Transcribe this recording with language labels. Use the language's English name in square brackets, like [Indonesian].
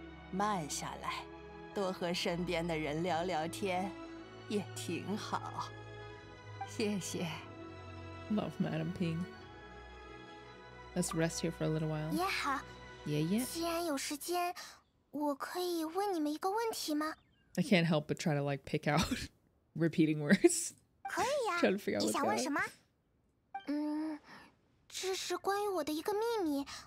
[Chinese] 慢下来，多和身边的人聊聊天，也挺好。谢谢。Love [English] Madam Ping. Let's rest here for a little while. [Chinese] 爷爷。既然有时间，我可以问你们一个问题吗？I [English] can't help but try to like pick out repeating words. [Chinese] 可以呀。你想问什么？嗯，这是关于我的一个秘密。